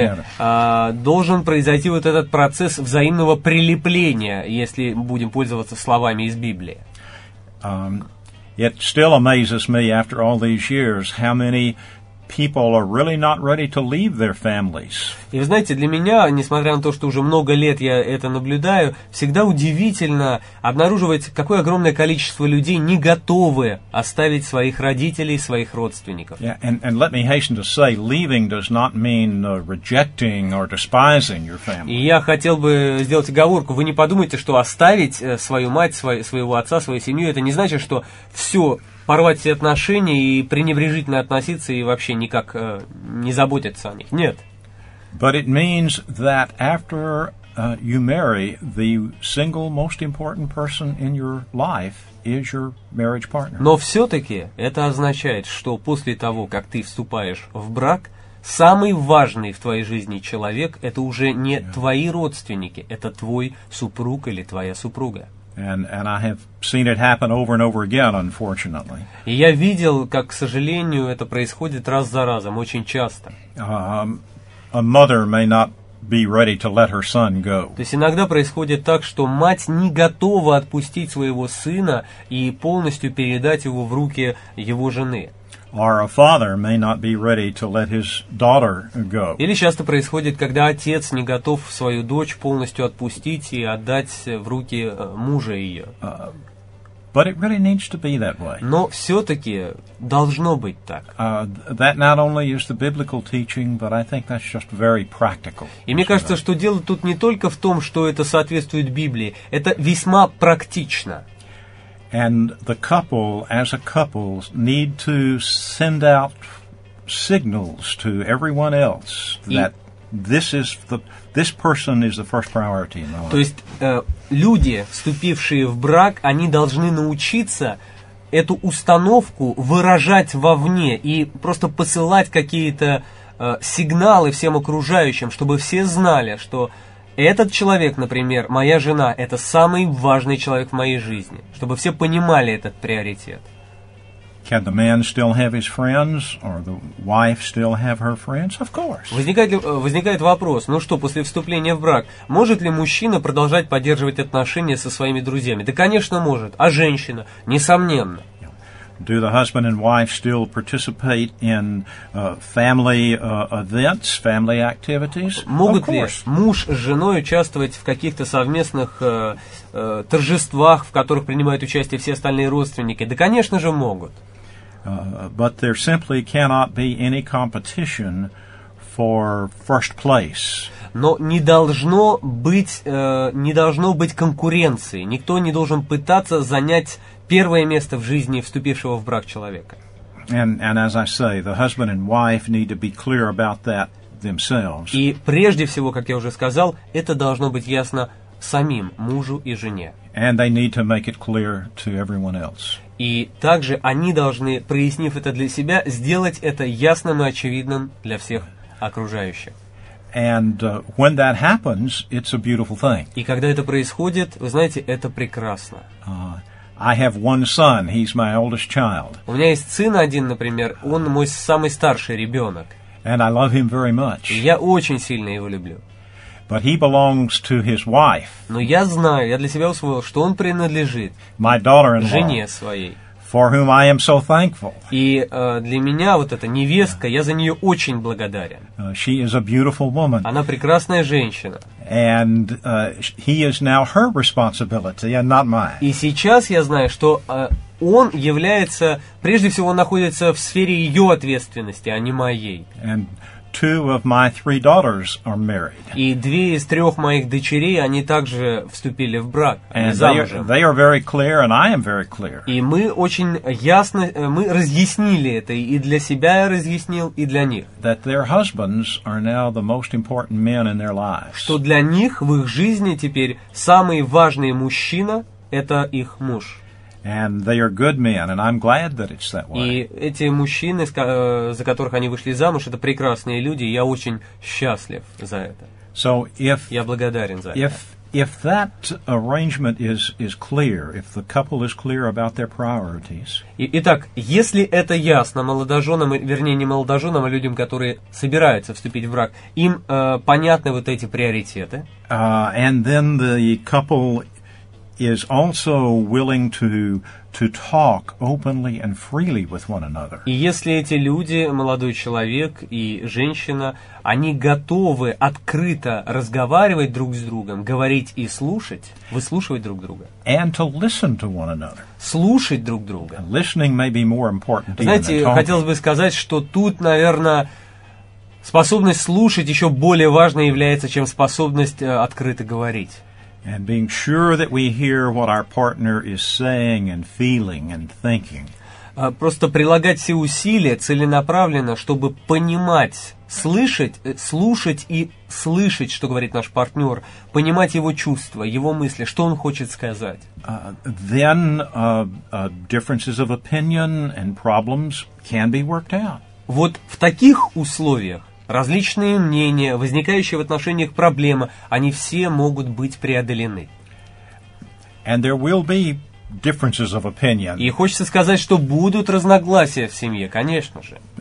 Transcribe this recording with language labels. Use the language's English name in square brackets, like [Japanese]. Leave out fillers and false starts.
[English] together. [Russian] И также должен произойти вот этот процесс взаимного прилепления, если будем пользоваться словами из Библии. [English] It still amazes me after all these years how many people are really not ready to leave their families. [Russian] И вы знаете, для меня, несмотря на то, что уже много лет я это наблюдаю, всегда удивительно обнаруживать, какое огромное количество людей не готовы оставить своих родителей, своих родственников. [English] Yeah, and let me hasten to say, leaving does not mean rejecting or despising your family. [Russian] И я хотел бы сделать оговорку. Вы не подумайте, что оставить свою мать, своего отца, свою семью, это не значит, что все... порвать все отношения и пренебрежительно относиться и вообще никак не заботиться о них. Нет. [English] But it means that after you marry, the single most important person in your life is your marriage partner. [Russian] Но все-таки это означает, что после того, как ты вступаешь в брак, самый важный в твоей жизни человек – это уже не yeah. твои родственники, это твой супруг или твоя супруга. [English] And I have seen it happen over and over again, unfortunately. [Russian] И я видел, как, к сожалению, это происходит раз за разом, очень часто. [English] A mother may not be ready to let her son go. [Russian] То есть иногда происходит так, что мать не готова отпустить своего сына и полностью передать его в руки его жены. [English] Or a father may not be ready to let his daughter go. [Russian] Или часто происходит, когда отец не готов свою дочь полностью отпустить и отдать в руки мужа ее. [English] But it really needs to be that way. [Russian] Но все-таки должно быть так. [English] That not only is the biblical teaching, but I think that's just very practical. [Russian] И мне кажется, что дело тут не только в том, что это соответствует Библии, это весьма практично. [English] And the couple, as a couple, need to send out signals to everyone else that this person is the first priority in my life. [Russian] То есть люди, вступившие в брак, они должны научиться эту установку выражать вовне и просто посылать какие-то сигналы всем окружающим, чтобы все знали, что этот человек, например, моя жена, это самый важный человек в моей жизни, чтобы все понимали этот приоритет. [English] Can the man still have his friends, or the wife still have her friends? Of course. [Russian] Возникает вопрос, ну что, после вступления в брак, может ли мужчина продолжать поддерживать отношения со своими друзьями? Да, конечно, может, а женщина? Несомненно. [English] Do the husband and wife still participate in family events, family activities? [Russian] Могут ли муж с женой участвовать в каких-то совместных торжествах, в которых принимают участие все остальные родственники? Да, конечно же, могут. [English] But there simply cannot be any competition for first place. [Russian] Но не должно быть конкуренции. Никто не должен пытаться занять первое место в жизни вступившего в брак человека. [English] And as I say, the husband and wife need to be clear about that themselves. [Russian] И прежде всего, как я уже сказал, это должно быть ясно самим мужу и жене. [English] And they need to make it clear to everyone else. [Russian] И также они должны, прояснив это для себя, сделать это ясным и очевидным для всех окружающих. [English] And when that happens, it's a beautiful thing. [Russian] И когда это происходит, вы знаете, это прекрасно. [English] I have one son. He's my oldest child. [Russian] У меня есть сын один, например. Он мой самый старший ребенок. [English] And I love him very much. [Russian] Я очень сильно его люблю. [English] But he belongs to his wife. [Russian] Но я знаю, я для себя усвоил, что он принадлежит [English] my daughter-in-law, [Russian] жене своей. [English] For whom I am so thankful. [Russian] И для меня вот эта невестка, я за нее очень благодарен. [English] She is a beautiful woman. [Russian] Она прекрасная женщина. [English] And he is now her responsibility, and not mine. [Russian] И сейчас я знаю, что он является, прежде всего, он находится в сфере ее ответственности, а не моей. [English] And two of my three daughters are married. [Russian] И две из трех моих дочерей, они также вступили в брак, они замужем. [English] They are very clear, and I am very clear. [Russian] И мы очень ясно, мы разъяснили это, и для себя я разъяснил, и для них. [English] That their husbands are now the most important men in their lives. [Russian] Что для них в их жизни теперь самый важный мужчина – это их муж. [English] And they are good men, and I'm glad that it's that way. [Russian] И эти мужчины, за которых они вышли замуж, это прекрасные люди, и я очень счастлив за это. [English] So if [Russian] я благодарен за [English] if [Russian] это. [English] If that arrangement is clear, if the couple is clear about their priorities. [Russian] Итак, если это ясно молодоженам, вернее не молодоженам, а людям, которые собираются вступить в брак, им понятны вот эти приоритеты. [English] And then the couple is also willing to talk openly and freely with one another. [Russian] И если эти люди, молодой человек и женщина, они готовы открыто разговаривать друг с другом, говорить и слушать, выслушивать друг друга. [English] And to listen to one another. [Russian] Слушать друг друга. [English] And listening may be more important. [Russian] Знаете, хотелось бы сказать, что тут, наверное, способность слушать еще более важной является, чем способность открыто говорить. [English] And being sure that we hear what our partner is saying and feeling and thinking. [Russian] Просто прилагать все усилия целенаправленно, чтобы понимать, слышать, слушать и слышать, что говорит наш партнер, понимать его чувства, его мысли, что он хочет сказать. [English] Then differences of opinion and problems can be worked out. [Russian] Вот в таких условиях различные мнения, возникающие в отношениях проблемы, они все могут быть преодолены. [English] And there will be differences of opinion. [Russian] И хочется сказать, что будут разногласия в семье, конечно же.